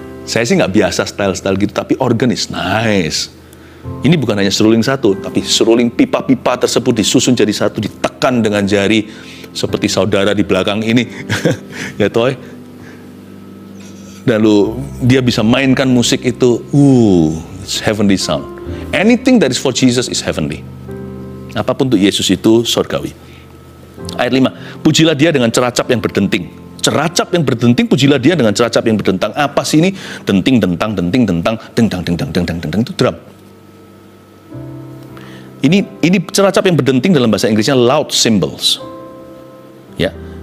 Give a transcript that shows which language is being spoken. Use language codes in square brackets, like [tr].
[id] Saya sih gak biasa style-style gitu, tapi [en] organ is nice. [id] Ini bukan hanya seruling satu, tapi seruling pipa-pipa tersebut disusun jadi satu, ditekan dengan jari seperti saudara di belakang ini. Ya toy. Lalu dia bisa mainkan musik itu. [en] It's heavenly sound. Anything that is for Jesus is heavenly. [id] Apapun untuk Yesus itu surgawi. Ayat 5. Pujilah dia dengan ceracap yang berdenting. Ceracap yang berdenting, pujilah dia dengan ceracap yang berdentang. Apa sih ini? Denting, dentang, denting, dentang, dendang, dendang, dendang, dendang, itu drum. Ini ceracap yang berdenting dalam bahasa Inggrisnya loud cymbals. Ya.